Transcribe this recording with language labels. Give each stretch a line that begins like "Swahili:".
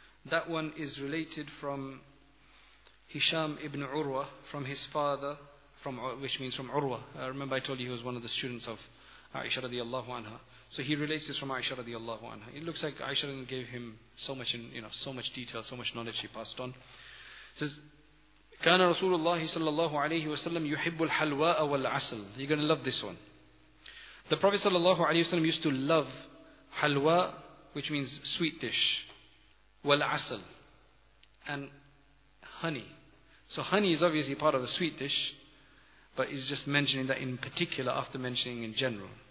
English: That one is related from Hisham ibn Urwa, from his father, from Urwa. Remember I told you he was one of the students of Aisha radiallahu anha. So he relates this from Aisha radiallahu anha. It looks like Aisha gave him so much detail, so much knowledge she passed on. It says,
Arabic: كان رسول الله صلى الله عليه وسلم يحب الحلواء والعسل.
English: You're going to love this one. The Prophet
Arabic: صلى الله عليه وسلم
English: used to love حلواء, which means sweet dish, والعسل, and honey. So honey is obviously part of a sweet dish, but he's just mentioning that in particular after mentioning in general.